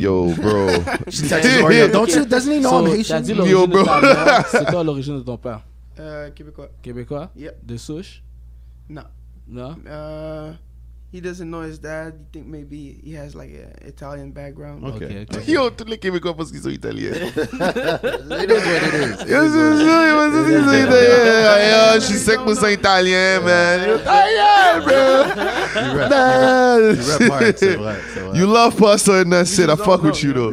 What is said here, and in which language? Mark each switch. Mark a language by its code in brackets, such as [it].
[en] Yo, bro. She texted Oreo. Don't you? Doesn't he know I'm Haitian? Yo, bro. [fr] C'est toi l'origine de ton père? Québécois. Québécois? [en] Yeah. [fr] De souche? [en] No. No? He doesn't know his dad. You think maybe he has like an Italian background? Okay. [fr] Yo, tous les Québécois pensent qu'ils sont italiens. [en] He knows what it is. [fr] Yo, c'est ça, qu'ils sont italiens. Yo, je suis sec pour son italien, man. Italien, bro. [en] Man. You love pasta and that shit. I fuck with you, though.